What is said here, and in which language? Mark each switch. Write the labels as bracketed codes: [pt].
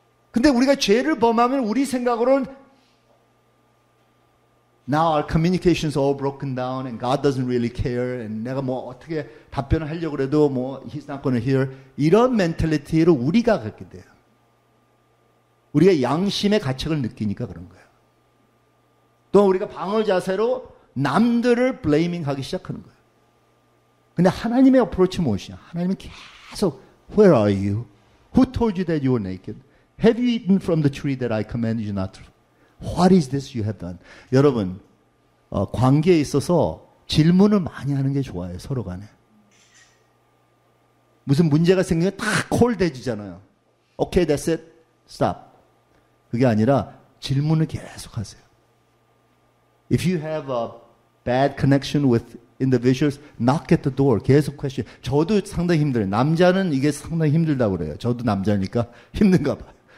[ko] 근데 우리가 죄를 범하면 우리 생각으로는 [en] Now our communication is all broken down and God doesn't really care and [ko] 내가 뭐 어떻게 답변을 하려고 해도 뭐 [en] He's not going to hear [ko] 이런 멘탈리티로 우리가 갖게 돼요. 우리가 양심의 가책을 느끼니까 그런 거예요. 또 우리가 방어 자세로 남들을 블레이밍 하기 시작하는 거예요. 근데 하나님의 어프로치 무엇이냐? 하나님은 계속 [en] Where are you? Who told you that you were naked? Have you eaten from the tree that I commanded you not to? What is this you have done? [ko] 여러분, 관계에 있어서 질문을 많이 하는 게 좋아요. 서로 간에. 무슨 문제가 생기면 딱 콜 대지잖아요. [en] Okay, that's it. Stop. [ko] 그게 아니라 질문을 계속 하세요. [en] If you have a bad connection with individuals, knock at the door. [ko] 계속 [en] question. [ko] 저도 상당히 힘들어요. 남자는 이게 상당히 힘들다고 그래요. 저도 남자니까 힘든가 봐요.